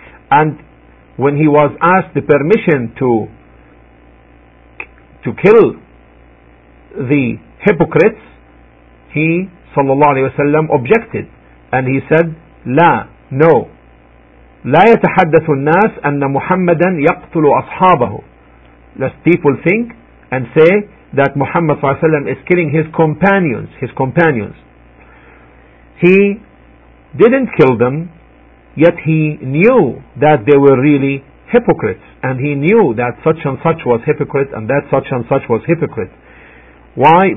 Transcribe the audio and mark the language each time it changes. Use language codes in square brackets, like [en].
[en] And when he was asked the permission to kill the hypocrites, he sallallahu alayhi wasalam objected and he said, no. [ar] لا يتحدث الناس أن محمدا يقتل أصحابه. [en] Lest people think and say that Muhammad صلى الله عليه وسلم is killing his companions. He didn't kill them, yet he knew that they were really hypocrites, and he knew that such and such was hypocrite and that such and such was hypocrite. Why?